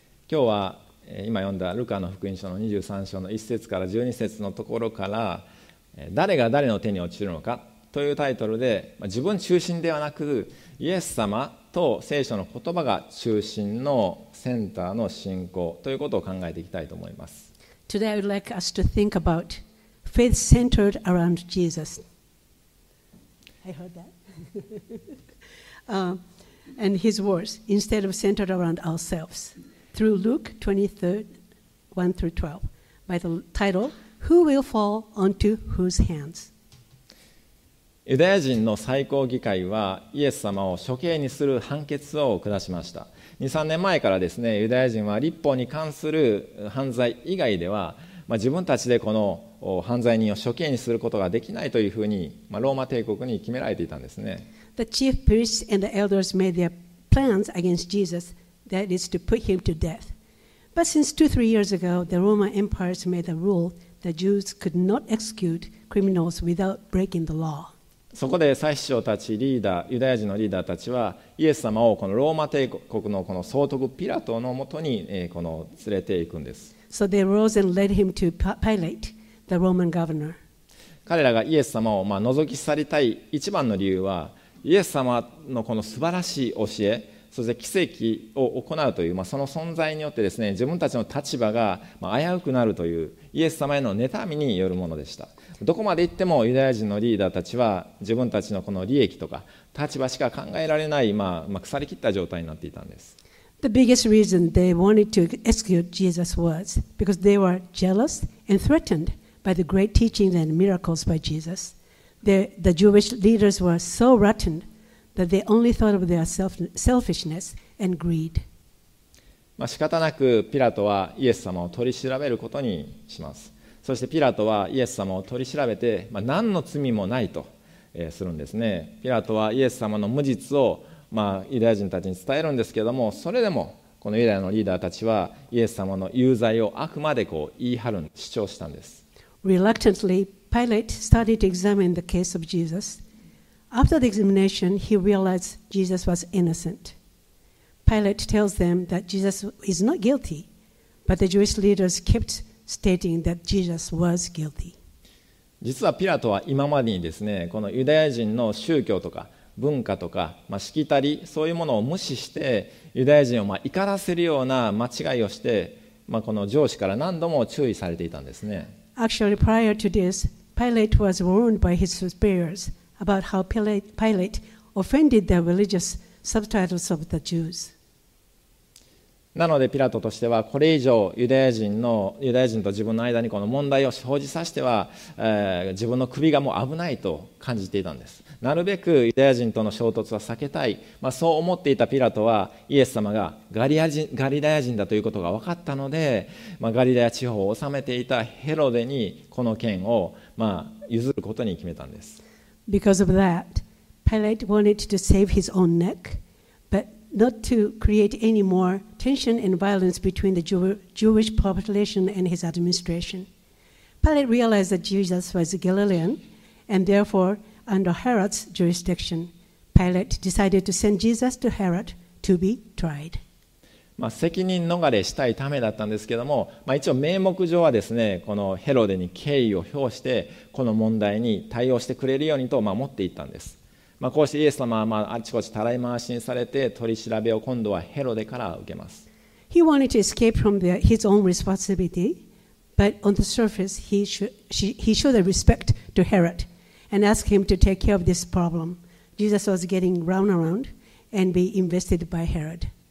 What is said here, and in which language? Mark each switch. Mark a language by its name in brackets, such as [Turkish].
[Japanese] 今日は今読んだルカの福音書の23章の1節から12節のところから、誰が誰の手に落ちるのかというタイトルで、自分中心ではなく、イエス様と聖書の言葉が中心のセンターの信仰ということを考えていきたいと思います。 [English] Today I would like us to think about faith centered around Jesus. I heard that. and his words instead of centered around ourselves. Through Luke 23:1-12, by the title, Who will fall onto whose hands? [Japanese] ユダヤ人の最高議会はイエス様を処刑にする判決を下しました。 2,3 年前からですね、ユダヤ人は立法に関する犯罪以外では、自分たちでこの犯罪人を処刑にすることができないというふうに、ローマ帝国に決められていたんですね。 [English] The chief priests and the elders made their plans against Jesus, that is to put him to death. But since 2-3 years ago, the Roman emperors made a rule that Jews could not execute criminals without breaking the law. [Japanese] そこで祭司長たちリーダー、ユダヤ人のリーダーたちはイエス様をこのローマ帝国のこの総督ピラトのもとにこの連れていくんです。 [English] So they rose and led him to Pilate, the Roman governor. [Japanese] 彼らがイエス様を覗き去りたい一番の理由はイエス様のこの素晴らしい教え、そして奇跡を行うというその存在によってですね、自分たちの立場が危うくなるというイエス様への妬みによるものでした。どこまで行ってもユダヤ人のリーダーたちは自分たちのこの利益とか立場しか考えられない腐りきった状態になっていたんです。 [English] The biggest reason they wanted to execute Jesus was because they were jealous and threatened by the great teachings and miracles by Jesus. The Jewish leaders were so rotten that they only thought of their selfishness and greed. [Japanese] 仕方なくピラトはイエス様を取り調べることにします。そしてピラトはイエス様を取り調べて、何の罪もないとするんですね。ピラトはイエス様の無実を、ユダヤ人たちに伝えるんですけれども、それでもこのユダヤのリーダーたちはイエス様の有罪をあくまでこう言い張る、主張したんです。 [English] Reluctantly, Pilate started to examine the case of Jesus. After the examination, he realized Jesus was innocent. Pilate tells them that Jesus is not guilty, but the Jewish leaders kept stating that Jesus was guilty. [Japanese] 実はピラトは今までにですね、このユダヤ人の宗教とか文化とか、しきたり、そういうものを無視して、ユダヤ人を怒らせるような間違いをして、この上司から何度も注意されていたんですね。 [English] Actually, prior to this, Pilate was warned by his superiors about how Pilate offended the religious subtitles of the Jews. [Japanese] なのでピラトとしてはこれ以上ユダヤ人と自分の間にこの問題を生じさせては、自分の首がもう危ないと感じていたんです。なるべくユダヤ人との衝突は避けたい、そう思っていたピラトはイエス様がガリラヤ人だということが分かったので、ガリラヤ地方を治めていたヘロデにこの件を、譲ることに決めたんです。 [English] Because of thatPilate wanted to save his own neck, but not to create any more tension and violence between the Jewish population and his administration. Pilate realized that Jesus was a Galilean, and therefore, under Herod's jurisdiction, Pilate decided to send Jesus to Herod to be tried. [Japanese] 責任逃れしたいためだったんですけども、一応名目上はですね、このヘロデに敬意を表して、この問題に対応してくれるようにと守っていったんです。こうしてイエス様はあちこちたらい回しにされて取り調べを今度はヘロデから受けます。 [English] He wanted to escape from his own responsibility, but on the surface he showed a respect to Herod and asked him to take care of this problem. Jesus was getting round around and be invested by Herod.